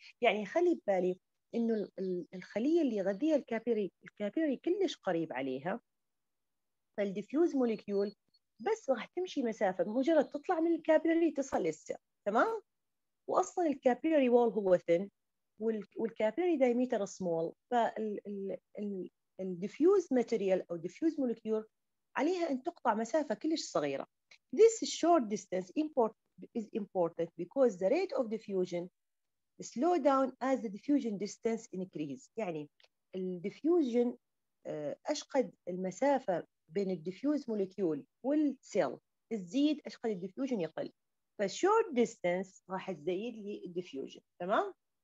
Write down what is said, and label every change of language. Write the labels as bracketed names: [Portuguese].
[Arabic] يعني خلي ببالي انه الخليه اللي يغذيها الكابيلاري كلش قريب عليها، فالديفيوز موليكيول بس راح تمشي مسافه مجرد تطلع من الكابيلاري تصل للسيل. تمام، واصلا الكابيلاري وول هو ثين والكابيلاري دايمتر سمول، فالديفيوز ماتيريال او ديفيوز موليكيول عليها أن تقطع مسافة كلش صغيرة. [English] This short distance is important because the rate of diffusion slow down as the diffusion distance increases. [Arabic] يعني الديفيوجن أشقد المسافة بين الديفيوز موليكيول والسيل تزيد أشقد الديفيوجن يقل، فالشورت ديستانس راح تزيد لي الديفيوجن. تمام؟